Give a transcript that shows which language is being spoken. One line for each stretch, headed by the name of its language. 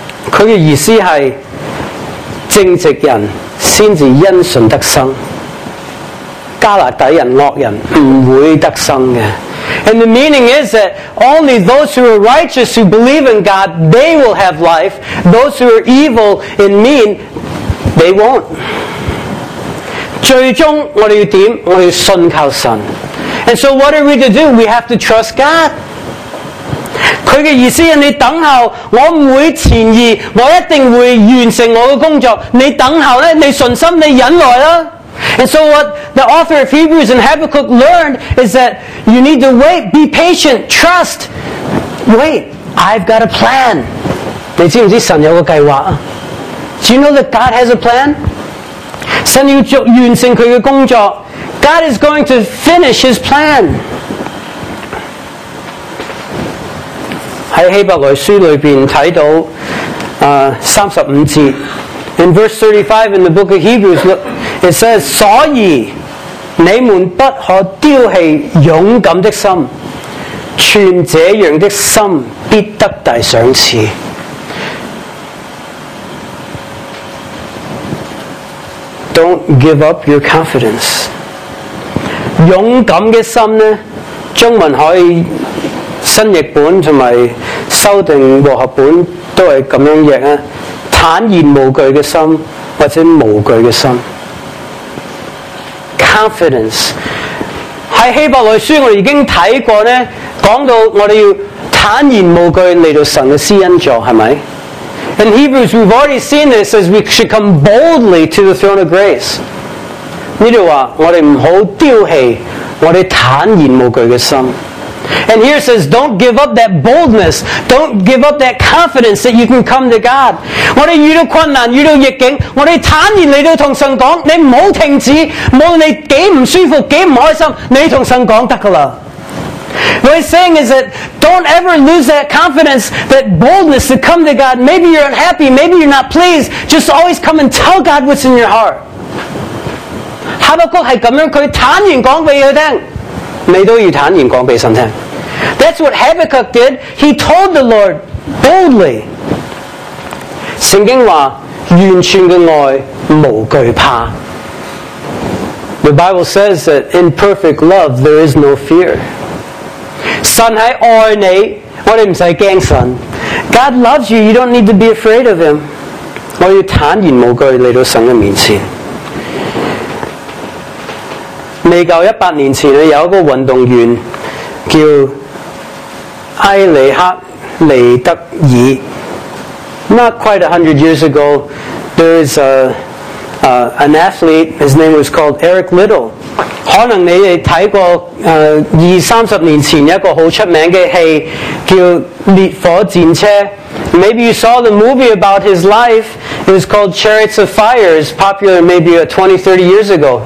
Chinese: 他的意思是正直人先至因信得生，加勒底人恶人不会得生的。
English: And the meaning is that only those who are righteous, who believe in God, they will have life. Those who are evil and mean, they won't.
Chinese: 最终我们要点？我们要信靠神。
English: And so what are we to do? We have to trust God.
Chinese: 他的意思是你等候，我不会前移，我一定会完成我的工作。你等候呢，你信心，你忍耐啦。
English: And so what the author of Hebrews and Habakkuk learned is that you need to wait, be patient, trust. Wait, I've got a plan.
Chinese: 你知不知道神有个计划？
English: Do you know that God has a plan?
Chinese: 神要完成他的工作。
English: God is going to finish his plan.
Chinese: 在希伯来书里面看到35节。
English: In verse 35 in the book of Hebrews, look, it says,
Chinese: 所以你们不可丢弃勇敢的心，存这样的心必得大赏赐。
English: Don't give up your confidence.
Chinese: 勇敢的心呢，中文可以新译本和修订和合本都是这样译啊，坦然无惧的心，或者无惧的心。
English: Confidence
Chinese: 在希伯来书我们已经看过呢，讲到我们要坦然无惧来到神的施恩座，是不是？
English: In Hebrews we've already seen this, as we should come boldly to the throne of grace.
Chinese: 这里说我们不要丢弃我们坦然无惧的心。
English: And here it says, don't give up that boldness. Don't give up that confidence that you can come to God.
Chinese: 我们遇到困难，遇到逆境，我们坦然来到跟神讲，你不要停止，无论你多不舒服，多不开心，你跟神讲就可以了。
English: What he's saying is that don't ever lose that confidence, that boldness to come to God. Maybe you're unhappy, maybe you're not pleased. Just always come and tell God what's in your heart.
Chinese: 哈巴谷是这样，他坦然讲给他听。你都要坦然讲俾神听。
English: That's what Habakkuk did. He told the Lord boldly.
Chinese: 圣经话完全的爱，无惧怕。
English: The Bible says that in perfect love there is no fear.
Chinese: 神是爱你，我们不用怕神。
English: God loves you, you don't need to be afraid of him.
Chinese: 我要坦然无惧来到神的面前。未够一百年前，有一个运动员叫埃里克尼德尔。
English: Not quite 100 years ago, there is an athlete, his name was called Eric Liddell.
Chinese: 可能你们看过二三十年前一个很出名的戏叫《烈火战车》。
English: Maybe you saw the movie about his life, it was called Chariots of Fire, it was popular maybe 20, 30 years ago.